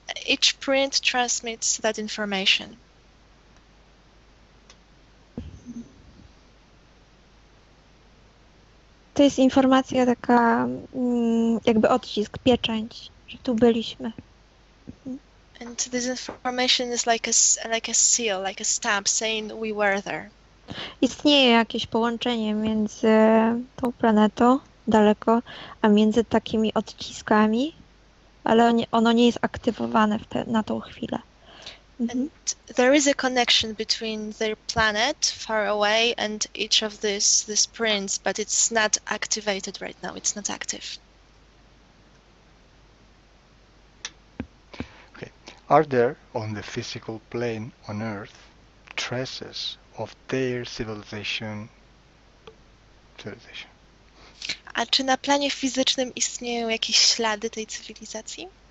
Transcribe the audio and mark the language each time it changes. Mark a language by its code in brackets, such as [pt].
[en] Each print transmits that information. [pl] To jest informacja taka, jakby odcisk, pieczęć, że tu byliśmy. [en] And this information is like a seal, like a stamp saying we were there. [pl] Istnieje jakieś połączenie między tą planetą daleko, a między takimi odciskami, ale ono nie jest aktywowane na tą chwilę. [en] And there is a connection between their planet far away and each of these prints, but it's not activated right now, it's not active. Are there on the physical plane on Earth traces of their civilization? [pl] A czy na planie fizycznym istnieją jakieś ślady tej cywilizacji?